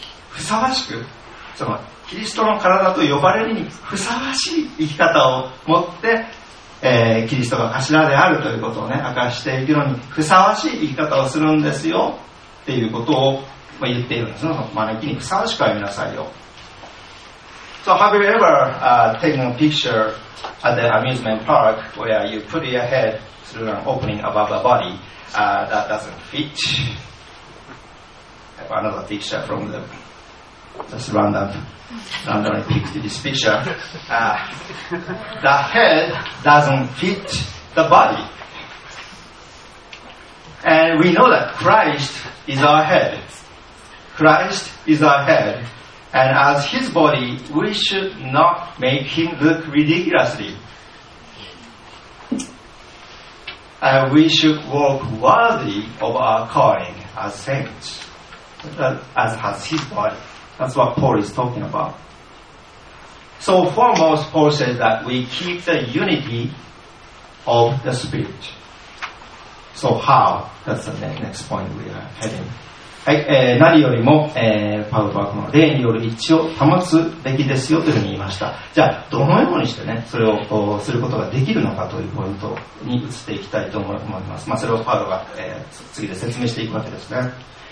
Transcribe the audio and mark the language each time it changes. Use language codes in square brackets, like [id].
[ja] ふさわしく、そのキリストの体と呼ばれるにふさわしい生き方を持って、キリストが頭であるということをね、明かしていくのにふさわしい生き方をするんですよっていうことを、まあ、言っているんです。その招きにふさわしく歩みなさいよ。 [en] So have you ever、taken a picture at the amusement park where you put your head through an opening above a body、that doesn't fit? I have another picture from the just randomly picked this picture. The head doesn't fit the body. And we know that Christ is our head. Christ is our head. And as his body, we should not make him look ridiculously. And we should walk worthy of our calling as saints, as has his body. That's what Paul is talking about. So foremost, Paul says that we keep the unity of the Spirit. So how? That's the next point we are heading. [ja] はい、何よりも、パウロはこの霊による一致を保つべきですよというふうに言いました。じゃあ、どのようにしてね、それをこうすることができるのかというポイントに移っていきたいと思います。まあ、それをパウロが、次で説明していくわけですね。